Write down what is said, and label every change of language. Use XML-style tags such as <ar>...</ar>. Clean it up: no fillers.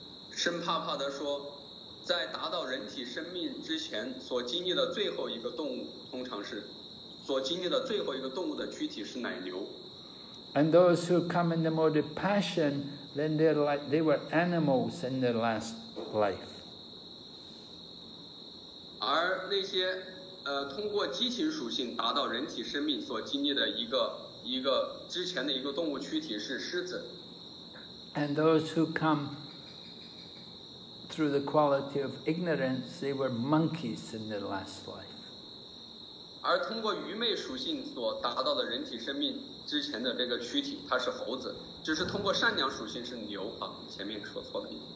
<zh>深帕帕德说，在达到人体生命之前所经历的最后一个动物，通常是所经历的最后一个动物的躯体是奶牛。</zh> <en>And those who come in the mode of passion, then they're like they were animals in their last life.</en> <zh>而那些通过激情属性达到人体生命所经历的一个之前的一个动物躯体是狮子。</zh> <en>And those who come through the quality of ignorance, they were monkeys in their last life.</en> <zh>而通过愚昧属性所达到的人体生命之前的这个躯体，它是猴子，只是通过善良属性是牛啊，前面说错了。</zh>